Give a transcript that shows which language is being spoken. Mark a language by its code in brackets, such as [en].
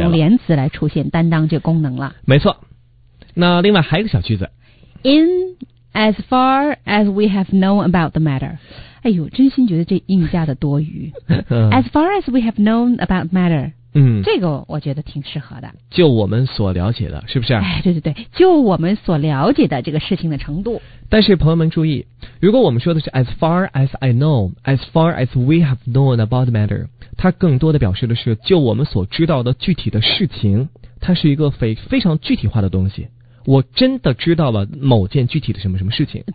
[zh] 得用连词来出现，担当这个功能了。没错。那另外还有一个小句子。 [en] In as far as we have known about the matter。 [zh] 哎呦，真心觉得这硬加的多余。 [en] As far as we have known about the matter。 [zh] 嗯，这个我觉得挺适合的，就我们所了解的，是不是？哎，对对对，就我们所了解的这个事情的程度。但是朋友们注意，如果我们说的是 [en] as far as I know， as far as we have known about the matter， [zh] 它更多的表示的是就我们所知道的具体的事情，它是一个非常具体化的东西，我真的知道了某件具体的什么什么事情。